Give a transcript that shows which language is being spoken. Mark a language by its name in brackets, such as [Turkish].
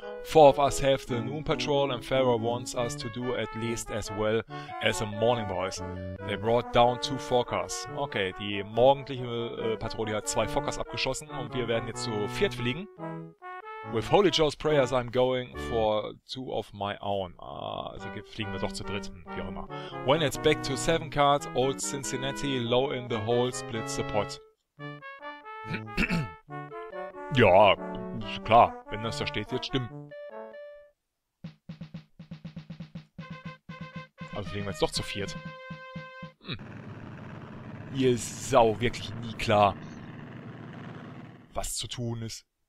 [English] Four of us have the noon patrol and Pharaoh wants us to do at least as well as the morning boys. They brought down two Fokkers. [German] Okay, die morgendliche Patrouille hat zwei Fokkers abgeschossen und wir werden jetzt zu viert fliegen. [English] With Holy Joe's prayers, I'm going for two of my own. [German] Ah, also fliegen wir doch zu dritt, wie auch immer. [English] When it's back to seven cards, old Cincinnati, low in the hole, splits the pot. [German] Ja, klar, wenn das da steht, jetzt stimmt. Also fliegen wir jetzt doch zu viert. Hier ist sau wirklich nie klar, was zu tun ist.